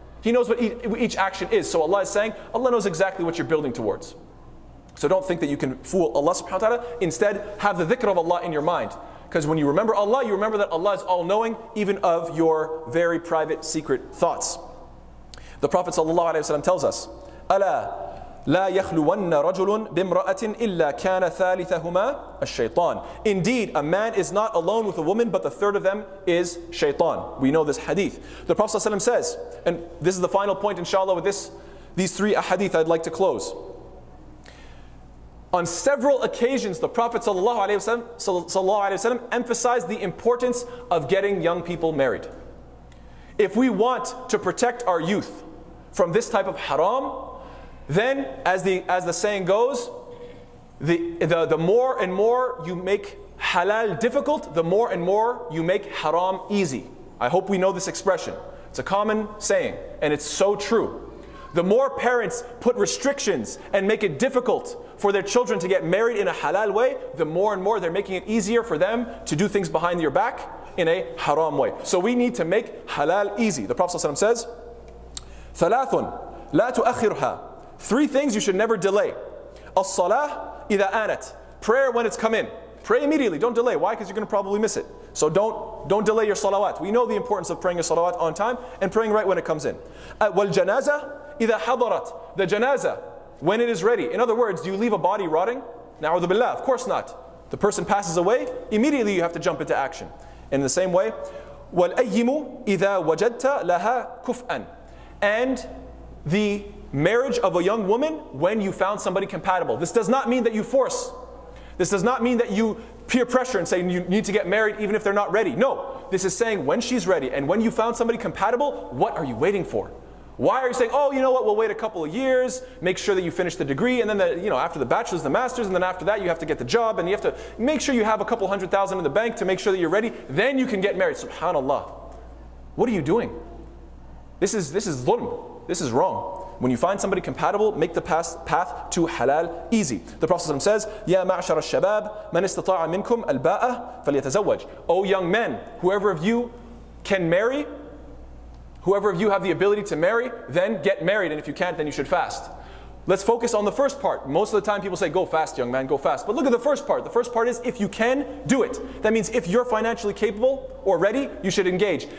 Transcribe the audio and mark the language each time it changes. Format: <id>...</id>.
<en>He knows what each action is. So Allah is saying, Allah knows exactly what you're building towards. So don't think that you can fool Allah subhanahu wa ta'ala. Instead, have the dhikr of Allah in your mind. Because when you remember Allah, you remember that Allah is all-knowing, even of your very private, secret thoughts.</en> <ar>The Prophet sallallahu alaihi wasallam tells us, أَلَا لَا يَخْلُوَنَّ رَجُلٌ بِمْرَأَةٍ إِلَّا كَانَ ثَالِثَهُمَا الشَّيْطَانِ.</ar> <en>Indeed, a man is not alone with a woman, but the third of them is shaytan. We know this hadith. The Prophet sallallahu alaihi wasallam says, and this is the final point inshallah with these three ahadith I'd like to close. On several occasions, the Prophet ﷺ emphasized the importance of getting young people married. If we want to protect our youth from this type of haram, then as the saying goes, the more and more you make halal difficult, the more and more you make haram easy. I hope we know this expression. It's a common saying, and it's so true. The more parents put restrictions and make it difficult for their children to get married in a halal way, the more and more they're making it easier for them to do things behind your back in a haram way. So we need to make halal easy.</en> <ar>The Prophet ﷺ says, ثَلَاثٌ لَا تُؤَخِّرْهَا.</ar> <en>Three things you should never delay.</en> <ar>الصَّلَاةُ إِذَا آنَتْ.</ar> <en>Prayer when it's come in. Pray immediately, don't delay. Why? Because you're going to probably miss it. So don't delay your salawat. We know the importance of praying your salawat on time and praying right when it comes in.</en> <ar>وَالْجَنَازَةُ إِذَا حَضَرَتْ.</ar> <en>The janazah, when it is ready. In other words, do you leave a body rotting? Na'udhu billah, of course not. The person passes away, immediately you have to jump into action. In the same way,</en> <ar>وَالْأَيِّمُ إِذَا وَجَدْتَ لَهَا كُفْأً.</ar> <en>And the marriage of a young woman when you found somebody compatible. This does not mean that you force. This does not mean that you peer pressure and say you need to get married even if they're not ready. No, this is saying when she's ready and when you found somebody compatible, what are you waiting for? Why are you saying, oh, you know what, we'll wait a couple of years, make sure that you finish the degree, and then after the bachelor's, the master's, and then after that you have to get the job, and you have to make sure you have a couple hundred thousand in the bank to make sure that you're ready, then you can get married. SubhanAllah. What are you doing? This is zulm. This is wrong. When you find somebody compatible, make the path to halal easy.</en> <ar>The Prophet ﷺ says, يَا مَعْشَرَ الشَّبَابِ مَنْ اسْتَطَاعَ مِنْكُمْ الْبَاءَ فَلْيَتَزَوَّجْ.</ar> <en>O young men, whoever of you can marry, whoever of you have the ability to marry, then get married, and if you can't, then you should fast. Let's focus on the first part. Most of the time people say, go fast, young man, go fast. But look at the first part. The first part is, if you can, do it. That means if you're financially capable or ready, you should engage.</en>